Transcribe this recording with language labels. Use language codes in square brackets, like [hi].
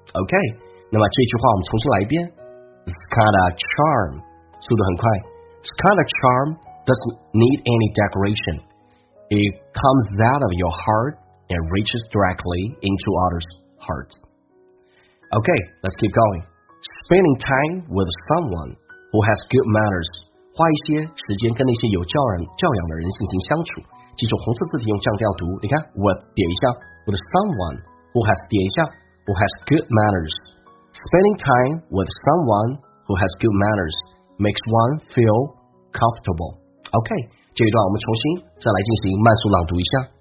[zh] OK， 那么这句话我们重新来一遍。 [en] This kind of charm [zh] 速度很快， [en] This kind of charm doesn't need any decoration， It comes out of your heart and reaches directly into others heart。 OK， let's keep going. Spending time with someone who has good manners [zh] 花一些时间跟那些有教养的人进行相处，记住红色字体用降调读，你看 [en] with [zh] 点一下 [en] with someone who has 点一下 who has good manners， spending time with someone who has good manners makes one feel comfortable。 [zh] OK， 这一段我们重新再来进行慢速朗读一下。